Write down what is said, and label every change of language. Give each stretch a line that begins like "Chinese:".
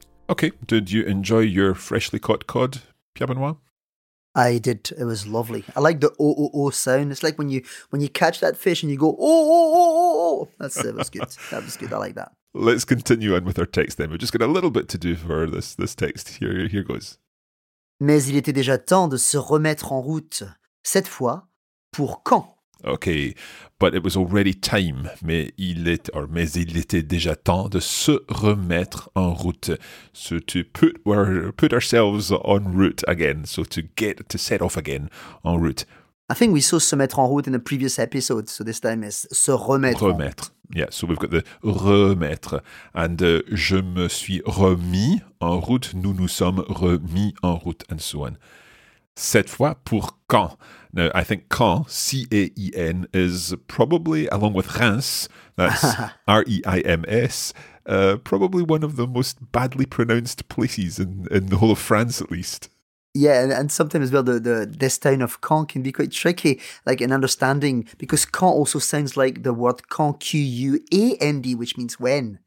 English: Okay, did you enjoy your freshly caught cod, Pierre Benoit? I did. It was lovely. I like the oh oh oh sound. It's like when you catch that fish and you go oh oh oh oh. That's it. Was good. That was good. I like that. Let's continue on with our text then. We've just got a little bit to do for this text. Here goes.
French: Mais il était déjà temps de se remettre en route. Cette fois, pour quand?
English: Okay, but it was already time.
French: Mais il était déjà temps de se remettre en route.
English: So to put ourselves en route again. So to set off again en route. I think we saw se mettre en route in a previous episode. So this time it's se remettre. Remettre. Yeah. So we've got the remettre and
French: je me suis remis en route. Nous nous sommes remis en route and so on. Cette fois pour quand?
English: Now, I think quand, C-A-E-N, is probably, along with Reims, that's R-E-I-M-S, probably one of the most badly pronounced places in the whole of France, at least. Yeah, and sometimes as well, this town of Caen can be quite tricky, like in understanding, because Caen also sounds like the word Caen, Q-U-A-N-D, which means when.